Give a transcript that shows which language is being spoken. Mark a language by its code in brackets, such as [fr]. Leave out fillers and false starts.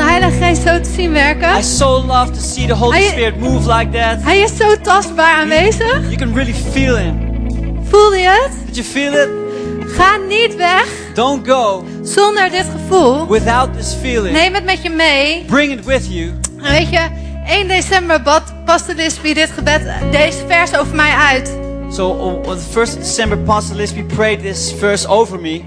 [en] I so love to see the Holy Spirit move like that. [nl] Hij is zo tastbaar aanwezig. [en] You can really feel Him. [nl] Voel je het? [en] Did you feel it? [nl] Ga niet weg. [en] Don't go. [nl] Zonder dit gevoel. [en] Without this feeling. [nl] Neem het met je mee. [en] Bring it with you. [nl] En weet je, 1 december bad Pastor Lisby dit gebed, deze vers over mij uit. [en] So on the 1st of December, Pastor Lisby prayed this verse over me.